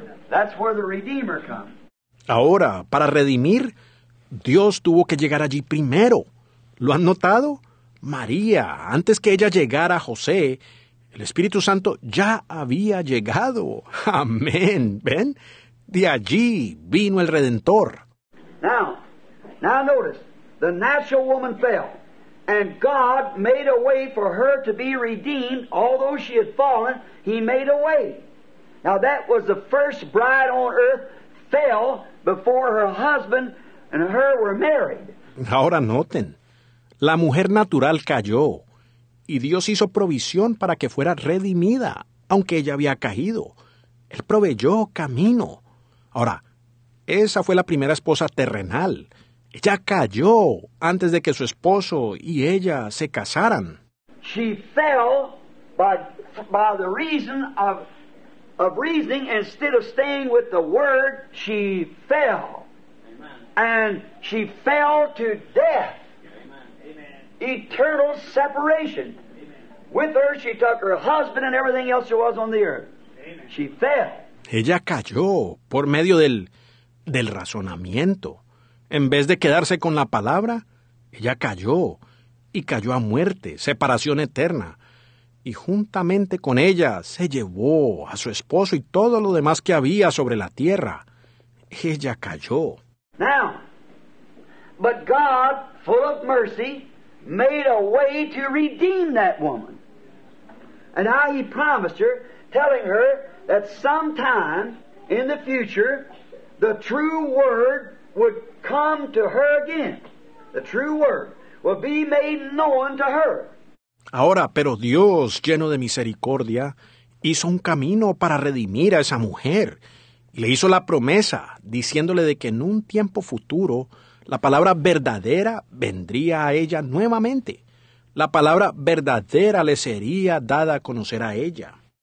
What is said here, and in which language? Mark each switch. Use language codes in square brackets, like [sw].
[en] That's where the Redeemer comes. [es] Ahora, para redimir, Dios tuvo que llegar allí primero. ¿Lo han notado? María, antes que ella llegara a José, el Espíritu Santo ya había llegado. Amén. ¿Ven? De allí vino el Redentor. [en] Now notice, the natural woman fell, and God made a way for her to be redeemed, although she had fallen, he made a way. Now that was the first bride on earth fell before her husband and her were married. [es] Ahora noten, la mujer natural cayó, y Dios hizo provisión para que fuera redimida, aunque ella había caído. Él proveyó camino. Ahora, Esa fue la primera esposa terrenal. Ella cayó antes de que su esposo y ella se casaran. [en] She fell by the reason of reasoning instead of staying with the word, she fell. And she fell to death. Eternal separation. With her, she took her husband and everything else she was on the earth. She fell. [es] Ella cayó por medio del razonamiento. En vez de quedarse con la palabra, ella cayó y cayó a muerte, separación eterna. Y juntamente con ella se llevó a su esposo y todo lo demás que había sobre la tierra. Ella cayó. [en] Now, but God, full of mercy, made a way to redeem that woman. And now he promised her, telling her that sometime in the future, the true word would come to her again. The true word would be made known to her. [es] Ahora, pero Dios, lleno de misericordia, hizo un camino para redimir a esa mujer. Le hizo la promesa, diciéndole de que en un tiempo futuro, la palabra verdadera vendría a ella nuevamente. La palabra verdadera le sería dada a conocer a ella.